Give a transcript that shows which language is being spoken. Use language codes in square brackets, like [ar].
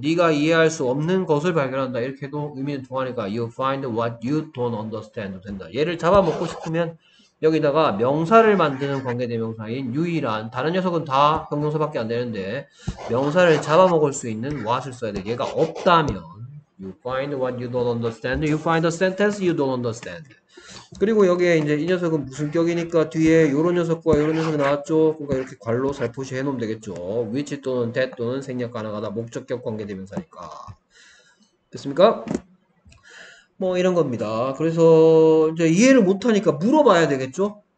[ko] 네가 이해할 수 없는 것을 발견한다. 이렇게도 의미는 통하니까 [en] You find what you don't understand. [ko] 된다. 얘를 잡아먹고 싶으면 여기다가 명사를 만드는 관계대명사인 유일한, 다른 녀석은 다 형용사밖에 안 되는데, 명사를 잡아먹을 수 있는 what을 써야 돼. 얘가 없다면 [en] You find what you don't understand. You find a sentence you don't understand. [ko] 그리고 여기에 이제 이 녀석은 무슨격이니까 뒤에 요런 녀석과 요런 녀석이 나왔죠. 그러니까 이렇게 괄호 살포시 해놓으면 되겠죠. which 또는 that 또는 생략 가능하다. 목적격 관계대명사니까. 됐습니까? 뭐 이런 겁니다. 그래서 이제 이해를 못하니까 물어봐야 되겠죠?